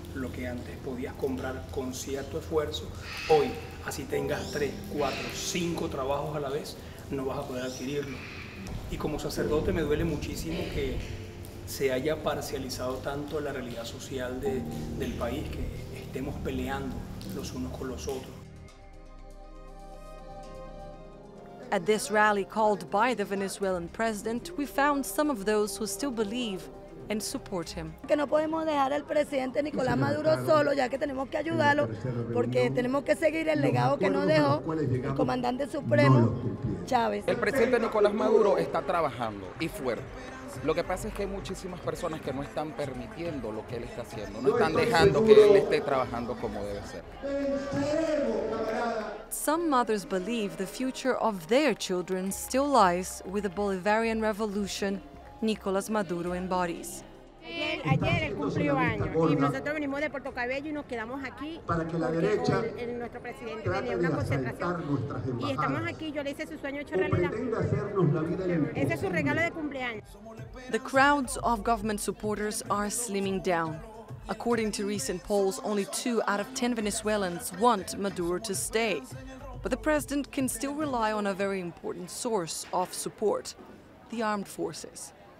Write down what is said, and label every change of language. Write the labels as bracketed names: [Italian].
[Spanish] Lo que antes podías comprar con cierto esfuerzo, hoy, así tengas 3, 4, 5 trabajos a la vez, no vas a poder adquirirlo. Y como sacerdote me duele muchísimo que se haya parcializado tanto la realidad social del país, que estemos peleando los unos con los otros. [English] At this rally called by the Venezuelan president, we found some of those who still believe and support him. [Spanish] Que no podemos dejar al presidente Nicolás Maduro solo, ya que tenemos que ayudarlo, porque tenemos que seguir el legado que nos dejó el comandante supremo Chávez. El presidente Nicolás Maduro está trabajando y fuerte. Lo que pasa es que hay muchísimas personas que no están permitiendo lo que él está haciendo, no están dejando que él esté trabajando como debe ser. [English] Some mothers believe the future of their children still lies with the Bolivarian revolution Nicolás Maduro embodies. [Spanish] Ayer él cumplió años y nosotros venimos de Puerto Cabello y nos quedamos aquí para que la derecha, nuestro presidente, tenía una concentración. Y estamos aquí, yo le hice su sueño hecho realidad. Ese es su regalo de cumpleaños. [English] The crowds of government supporters are slimming down. According to recent polls, only 2 out of 10 Venezuelans want Maduro to stay. But the president can still rely on a very important source of support, the armed forces.